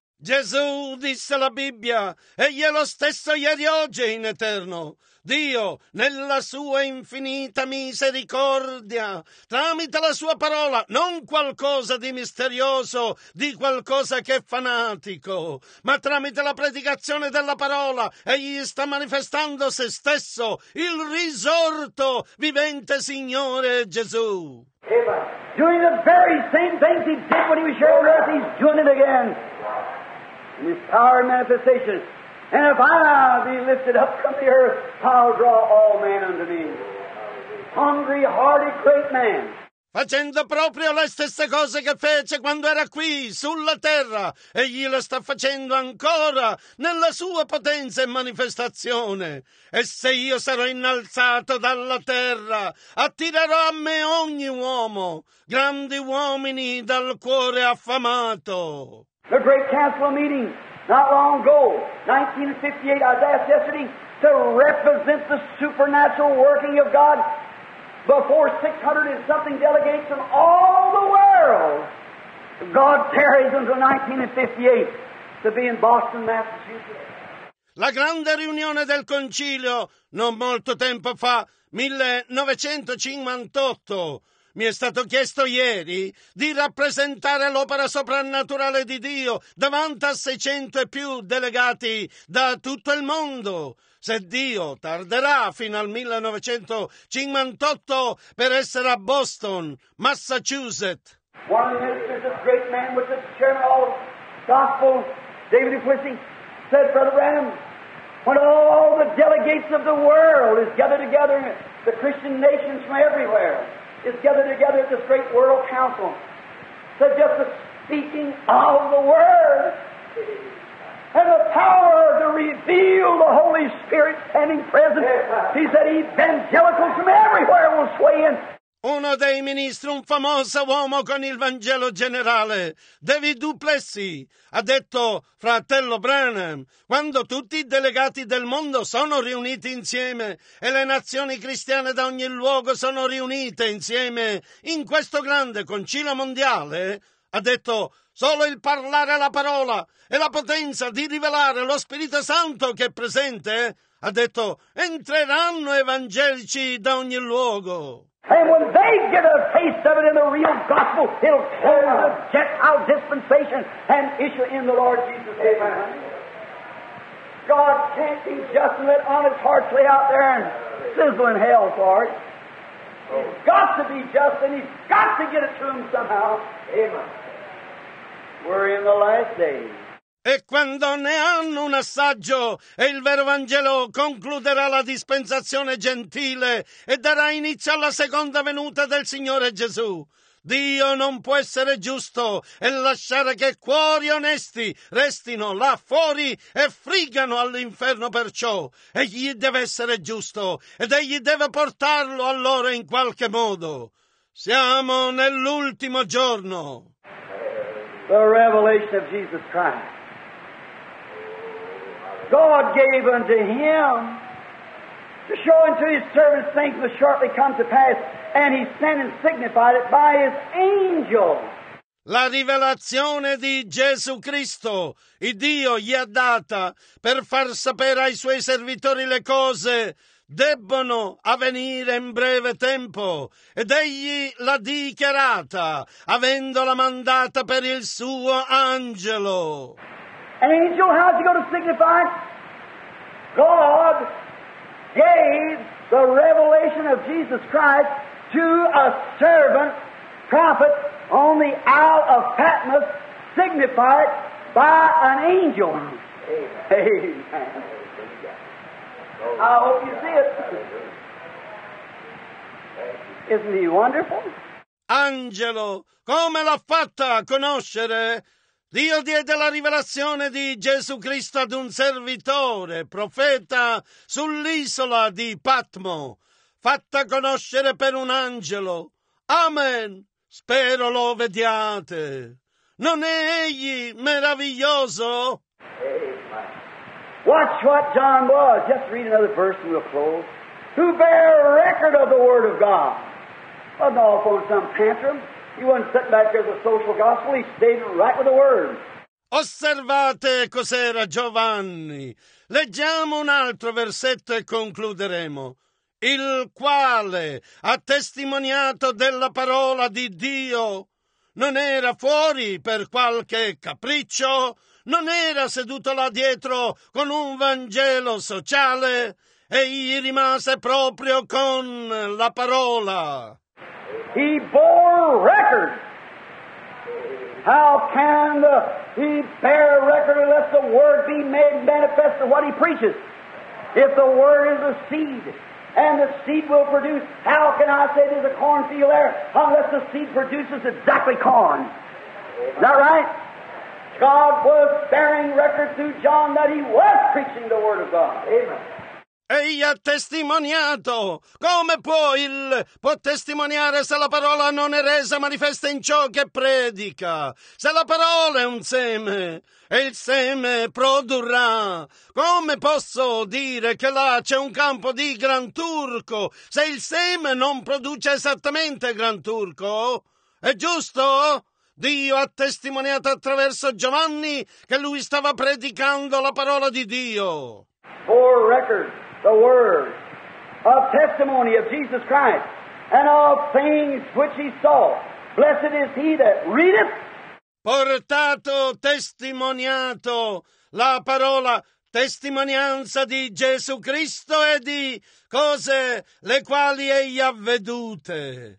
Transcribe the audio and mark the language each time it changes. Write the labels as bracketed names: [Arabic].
[Italian] Gesù, disse la Bibbia, egli è lo stesso ieri, oggi e in eterno. Dio, nella sua infinita misericordia, tramite la sua parola, non qualcosa di misterioso, di qualcosa che è fanatico, ma tramite la predicazione della parola, egli sta manifestando se stesso, il risorto vivente Signore Gesù. [English] Doing the very same things he did when he was here on earth, he's doing it again. In his power and manifestation. And if I be lifted up from the earth, I'll draw all men unto me. Hungry, hearty, great man. [Italian] Facendo proprio le stesse cose che fece quando era qui, sulla terra, egli lo sta facendo ancora nella sua potenza e manifestazione. E se io sarò innalzato dalla terra, attirerò a me ogni uomo, grandi uomini dal cuore affamato. [English] The great council meeting, not long ago, 1958, I was asked yesterday to represent the supernatural working of God before 600 and something delegates from all the world. God tarries until 1958 to be in Boston, Massachusetts. [Italian] La grande riunione del concilio, non molto tempo fa, 1958, mi è stato chiesto ieri di rappresentare l'opera soprannaturale di Dio davanti a 600 e più delegati da tutto il mondo. Se Dio tarderà fino al 1958 per essere a Boston, Massachusetts. [English] One of the ministers, a great man, was the chairman of Gospel, David Quincy, said, Brother Branham, when all the delegates of the world is gathered together, the Christian nations from everywhere is gathered together at this great world council, said, just the speaking of the word and the power to reveal the Holy Spirit standing present. He said evangelicals from everywhere will sway in. [Italian] Uno dei ministri, un famoso uomo con il Vangelo generale, David Duplessis, ha detto, fratello Branham, quando tutti i delegati del mondo sono riuniti insieme e le nazioni cristiane da ogni luogo sono riunite insieme in questo grande concilio mondiale, ha detto, solo il parlare la parola e la potenza di rivelare lo Spirito Santo che è presente, ha detto, entreranno evangelici da ogni luogo. [English] And when they get a taste of it in the real gospel, it'll turn the Gentile dispensation and issue in the Lord Jesus. Amen. God can't be just and let honest hearts lay out there and sizzle in hell for it. He's got to be just and he's got to get it to them somehow. Amen. We're in the last days. [Italian] E quando ne hanno un assaggio e il vero Vangelo concluderà la dispensazione gentile e darà inizio alla seconda venuta del Signore Gesù. Dio non può essere giusto e lasciare che cuori onesti restino là fuori e friggano all'inferno perciò. Egli deve essere giusto ed egli deve portarlo a loro in qualche modo. Siamo nell'ultimo giorno. [English] The revelation of Jesus Christ. God gave unto him to show unto his servants things that shortly come to pass, and he sent and signified it by his angel. [Italian] La rivelazione di Gesù Cristo, il Dio gli ha data per far sapere ai suoi servitori le cose debbono avvenire in breve tempo, ed egli l'ha dichiarata, avendola mandata per il suo angelo. [English] Angel, how's he going to signify? God gave the revelation of Jesus Christ to a servant, prophet, on the Isle of Patmos, signified by an angel. Amen. Amen. I hope you see it. Isn't he wonderful? [Italian] Angelo, come l'ha fatta a conoscere? Dio diede la rivelazione di Gesù Cristo ad un servitore, profeta, sull'isola di Patmo, fatta conoscere per un angelo. Amen! Spero lo vediate. Non è egli meraviglioso? Amen. [English] Watch what John was. Just read another verse and we'll close. Who bear a record of the Word of God. Wasn't off on some tantrum. He wasn't sitting back there as a social gospel. He stayed right with the Word. [Italian] Osservate cos'era Giovanni. Leggiamo un altro versetto e concluderemo. Il quale ha testimoniato della parola di Dio. Non era fuori per qualche capriccio. Non era seduto là dietro con un Vangelo sociale. Egli rimase proprio con la parola. [English] He bore record. How can he bear record unless the word be made manifest of what he preaches? If the word is a seed and the seed will produce, how can I say there's a cornfield there unless the seed produces exactly corn? Is that right? God was bearing record through John that he was preaching the word of God. Amen. [Italian] Egli ha testimoniato. Come può il può testimoniare se la parola non è resa manifesta in ciò che predica? Se la parola è un seme e il seme produrrà. Come posso dire che là c'è un campo di Gran Turco se il seme non produce esattamente Gran Turco? È giusto? Dio ha testimoniato attraverso Giovanni che lui stava predicando la parola di Dio. [English] For record. The word of testimony of Jesus Christ and of things which he saw. Blessed is he that readeth. [Italian] Portato, testimoniato, la parola testimonianza di Gesù Cristo e di cose le quali egli ha vedute.